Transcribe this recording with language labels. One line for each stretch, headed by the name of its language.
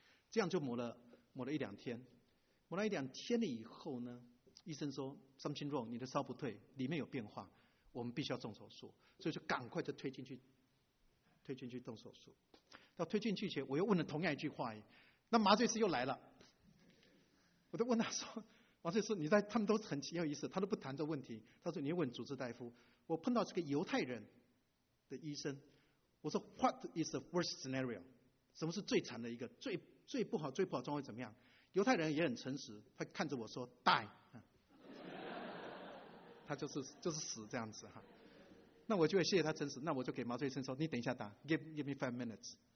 Chinese: 这样就抹了一两天，抹了一两天了以后呢，医生说
English: something wrong，
Chinese: 你的烧不退，里面有变化，我们必须要动手术，所以就赶快就推进去动手术。到推进去前，我又问了同样一句话，那麻醉师又来了，我都问他说，麻醉师，他们都很有意思，他都不谈这问题，他说你问主治大夫，我碰到是个犹太人。的医生，我说
English: What is the worst scenario？
Chinese: 什么是最惨的一个最不好最不好状况怎么样？犹太人也很诚实，他看着我说 Die，他就是死这样子哈。那我就会谢谢他诚实，那我就给麻醉医生说你等一下打 ，
English: Give me 5 minutes。